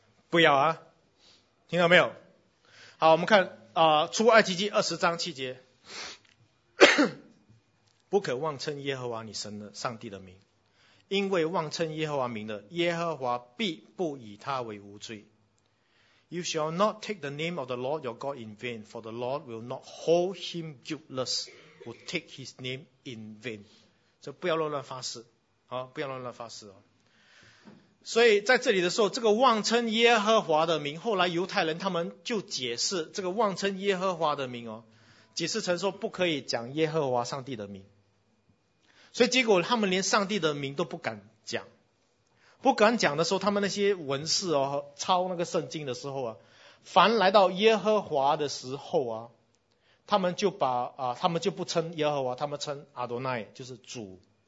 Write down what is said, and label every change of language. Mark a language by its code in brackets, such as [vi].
[zh] 不要啊，听到没有？好，我们看出埃及记二十章七节，不可妄称耶和华你神的上帝的名，因为妄称耶和华名的，耶和华必不以他为无罪。 [en] You shall not take the name of the Lord your God in vain, for the Lord will not hold him guiltless who take his name in vain。 [zh] 这不要乱发誓，好，不要乱发誓哦。所以在这里的时候，这个妄称耶和华的名，后来犹太人他们就解释这个妄称耶和华的名哦，解释成说不可以讲耶和华上帝的名。所以结果他们连上帝的名都不敢讲，不敢讲的时候，他们那些文士哦，抄那个圣经的时候啊，凡来到耶和华的时候啊，他们就把他们就不称耶和华，他们称阿多奈，就是主。